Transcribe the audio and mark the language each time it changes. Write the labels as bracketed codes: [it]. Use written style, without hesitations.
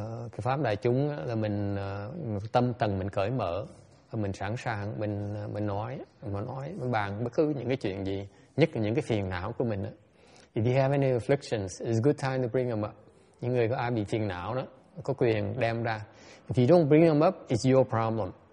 [vi] Cái pháp đại chúng là mình tâm tầng mình cởi mở, mình sẵn sàng mình nói mình bàn bất cứ những cái chuyện gì, nhất là những cái phiền não của mình. [en] If you have any afflictions, it's a good time to bring them up. [vi] Những người có ai bị phiền não đó có quyền đem ra. [en] If you don't bring them up, it's your problem.